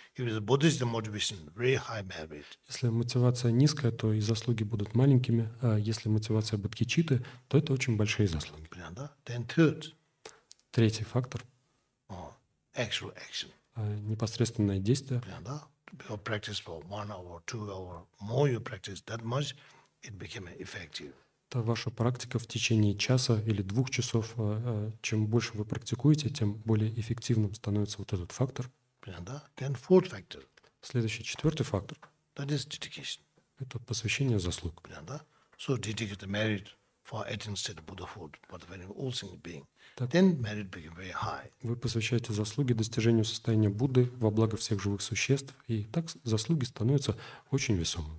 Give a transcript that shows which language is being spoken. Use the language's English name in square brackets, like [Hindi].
[English] If it's a Buddhist motivation, very high merit. [Russian] Если мотивация низкая, то и заслуги будут маленькими. А если мотивация бодхичитты, то это очень большие заслуги. Понятно, да? [English] Then third. [Russian] Третий фактор. [English] Actual action. [Russian] Непосредственное действие. Понятно, да? [English] You practice for 1 hour, 2 hour. More you practice that much, it became effective. [Russian] Это ваша практика в течение часа или двух часов. Чем больше вы практикуете, тем более эффективным становится вот этот фактор. [English] Then fourth factor. [Russian] Следующий, четвертый фактор. [English] That is dedication. [Russian] Это посвящение заслуг. [English] So dedicated merit for attainment of Buddhahood, but when all single being, then merit became very high. [Russian] Вы посвящаете заслуги достижению состояния Будды во благо всех живых существ, и так заслуги становятся очень весомыми.